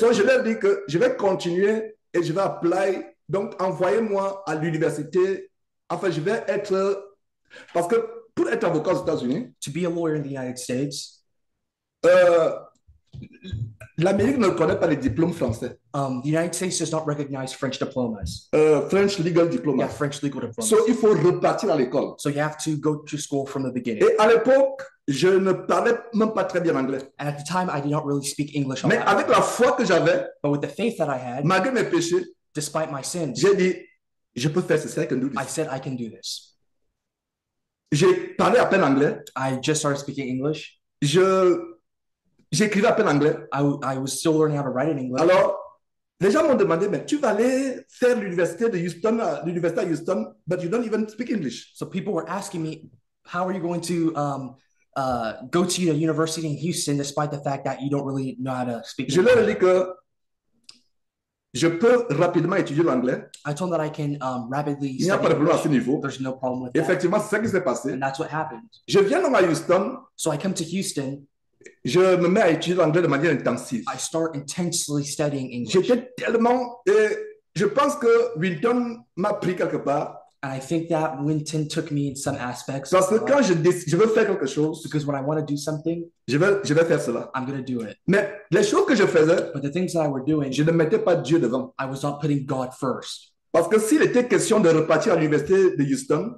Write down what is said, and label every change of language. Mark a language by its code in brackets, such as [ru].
[fr] Donc je leur dis que je vais continuer et je vais apply. Donc envoyez-moi à l'université. Enfin, je vais être parce que pour être avocat aux États-Unis. [en] To be a lawyer in the United States. [fr] L'Amérique ne reconnaît pas les diplômes français. [en] The United States does not recognize French diplomas. French legal diplomas. Yeah, French legal diplomas. [fr] So, il faut repartir à l'école. [en] So, you have to go to school from the beginning. [fr] Et à l'époque, je ne parlais même pas très bien anglais. [en] And at the time, I did not really speak English. [fr] Mais avec la foi que j'avais, [en] but with the faith that I had, [fr] malgré mes péchés, [en] despite my sins, [fr] j'ai dit, je peux faire ceci, [en] I said, I can do this. [fr] J'ai parlé à peine anglais. [en] I just started speaking English. [fr] J'écrivais à peine anglais. [en] I was still learning how to write in English. [fr] Alors, les gens m'ont demandé, mais tu vas aller faire l'université de Houston, l'université de Houston, [en] but you don't even speak English. So people were asking me, how are you going to go to the university in Houston despite the fact that you don't really know how to speak English? [fr] Je leur ai dit que je peux rapidement étudier l'anglais. [en] I told them that I can rapidly [fr] Il n'y a pas de problème [en] English. [fr] À ce niveau. [en] There's no problem with [fr] Effectivement, [en] that. [fr] C'est ce qui s'est passé. [en] And that's what happened. [fr] Je viens dans Houston. [en] So I come to Houston. [fr] Je me mets à étudier l'anglais de manière intensive. [en] I start intensely studying English. [fr] J'étais tellement et je pense que Winton m'a pris quelque part. [en] And I think that Winton took me in some aspects. [fr] Parce que quand je veux faire quelque chose, [en] because when I want to do something, [fr] je vais faire cela. [en] I'm going to do it. [fr] Mais les choses que je faisais, [en] but the things that I were doing, [fr] je ne mettais pas Dieu devant. [en] I was not putting God first. [fr] Parce que s'il était question de repartir à l'université de Houston,